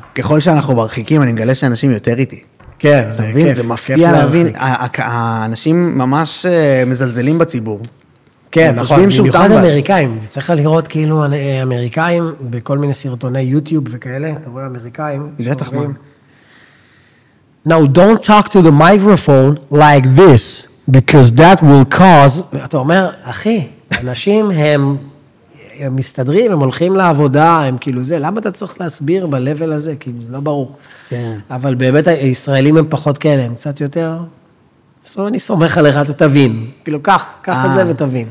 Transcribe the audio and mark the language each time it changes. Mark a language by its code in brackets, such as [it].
[he] ככל שאנחנו מרחיקים, אני מגלה שאנשים יותר איתי. כן, זה כיף. זה מפתיע להבין. האנשים ממש מזלזלים בציבור. כן, נכון, במיוחד אמריקאים. צריך לראות כאילו אמריקאים בכל מיני סרטוני יוטיוב וכאלה. אתה רואה אמריקאים? בטח מה. [en] Now, don't talk to the microphone like this, because that will cause... [he] אתה אומר, אחי, אנשים הם מסתדרים, הם הולכים לעבודה, הם כאילו זה, למה אתה צריך להסביר בלבל הזה? כי זה לא ברור. כן. אבל באמת הישראלים הם פחות כאלה, הם קצת יותר... אני סומך עליך, אתה תבין. כאילו, קח את זה ותבין.